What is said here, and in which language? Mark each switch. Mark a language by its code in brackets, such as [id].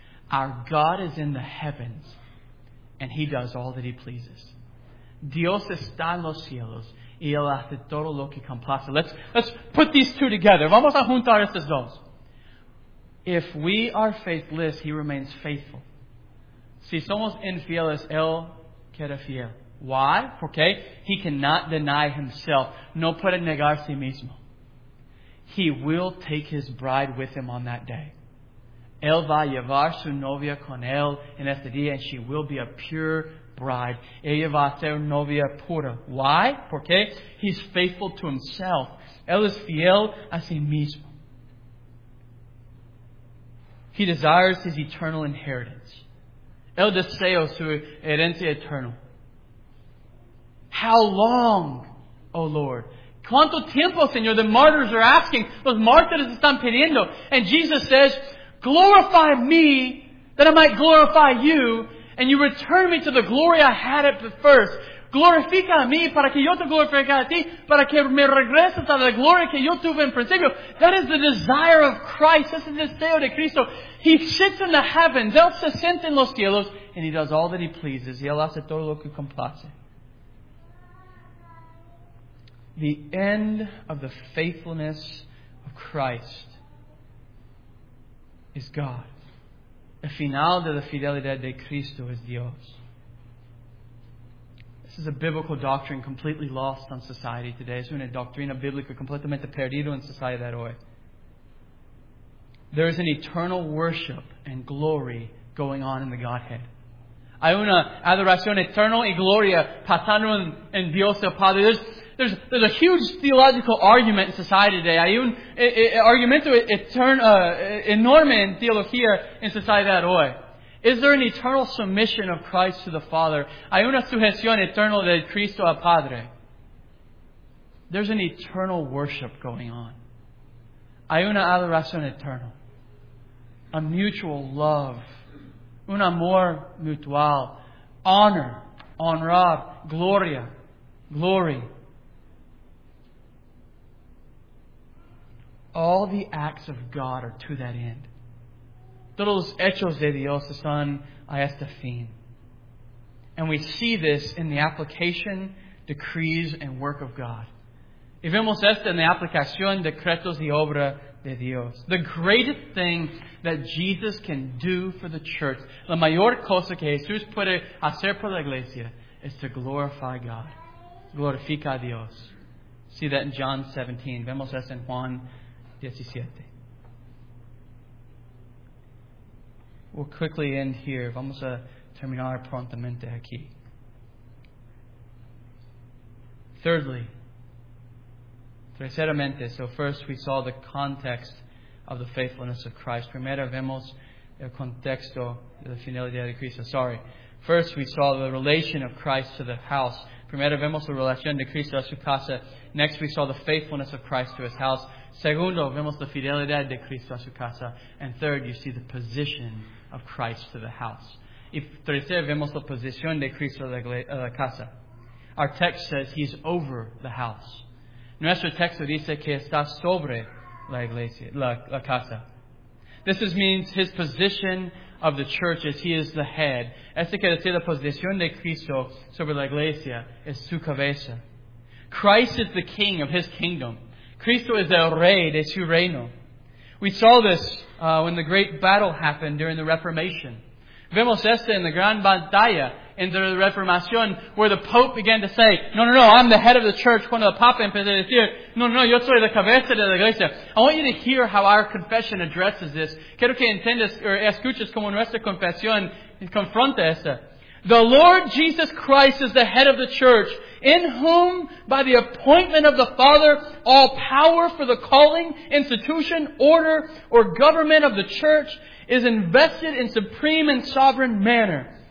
[en] Our God is in the heavens, and He does all that He pleases. [es] Dios está en los cielos, y Él hace todo lo que complace. [en] Let's put these two together. [es] Vamos a juntar estos dos. [en] If we are faithless, He remains faithful. [es] Si somos infieles, Él queda fiel. [en] Why? [es] Porque [en] He cannot deny Himself. [es] No puede negar sí mismo. [en] He will take His bride with Him on that day. [es] Él va a llevar su novia con Él en este día, [en] and she will be a pure bride. [es] Ella va a ser novia pura. [en] Why? [es] Porque [en] He's faithful to Himself. [es] Él es fiel a sí mismo. [en] He desires His eternal inheritance. [es] Él desea su herencia eterna. [en] How long, O Lord? [es] ¿Cuánto tiempo, Señor? [en] The martyrs are asking. [es] Los mártires están pidiendo. [en] And Jesus says, glorify me that I might glorify you, and you return me to the glory I had at the first. [es] Glorifica a mí para que yo te glorifique a ti, para que me regreses a la gloria que yo tuve en principio. [en] That is the desire of Christ. That's the [es] deseo de Cristo. [en] He sits in the heavens. [es] Él se siente en los cielos, [en] and He does all that He pleases. [es] Y Él hace todo lo que complace. [en] The end of the faithfulness of Christ is God. [es] El final de la fidelidad de Cristo es Dios. [en] This is a biblical doctrine completely lost on society today. [es] Es una doctrina bíblica completamente perdida en sociedad hoy. [en] There is an eternal worship and glory going on in the Godhead. [es] Hay una adoración eterna y gloria pasando en Dios el Padre. [en] There's a huge theological argument in society today. [es] Hay un argumento enorme en teología en sociedad hoy. [en] Is there an eternal submission of Christ to the Father? [es] Hay una sujeción eterna de Cristo al Padre. [en] There's an eternal worship going on. [es] Hay una adoración eterna. [en] A mutual love. [es] Un amor mutual. [en] Honor. Honrar. Gloria. Glory. All the acts of God are to that end. [es] Todos los hechos de Dios están a este fin. [en] And we see this in the application, decrees, and work of God. [es] Y vemos esto en la aplicación, decretos y obra de Dios. [en] The greatest thing that Jesus can do for the church, [es] la mayor cosa que Jesús puede hacer por la iglesia, [en] is to glorify God. [es] Glorifica a Dios. [en] See that in John 17. [es] Vemos esto en Juan 17. [en] We'll quickly end here. [es] Vamos a terminar prontamente aquí. [en] Thirdly, terceramente, so first we saw the context of the faithfulness of Christ. [es] Primero vemos el contexto de la fidelidad de Cristo. [en] Sorry. First we saw the relation of Christ to the house. [es] Primero vemos la relación de Cristo a su casa. [en] Next we saw the faithfulness of Christ to His house. [es] Segundo, vemos la fidelidad de Cristo a su casa. [en] And third, you see the position of Christ to the house. [es] Y tercero, vemos la posición de Cristo a la casa. [en] Our text says He's over the house. [es] Nuestro texto dice que está sobre la iglesia, la casa. [en] This means His position of the church is He is the head. [es] Esto quiere decir la posición de Cristo sobre la iglesia es su cabeza. [en] Christ is the king of His kingdom. [es] Cristo es el rey de su reino. [en] We saw this when the great battle happened during the Reformation. [es] Vemos esto en la gran batalla [en] in the Reformación, where the Pope began to say, no, I'm the head of the church. [es] Cuando el Papa empezó a decir, no, yo soy la cabeza de la iglesia. [en] I want you to hear how our confession addresses this. [es] Quiero que entiendas o escuches como nuestra confesión confronta esta. [en] The Lord Jesus Christ is the head of the church, in whom, by the appointment of the Father, all power for the calling, institution, order, or government of the church is invested in supreme and sovereign manner.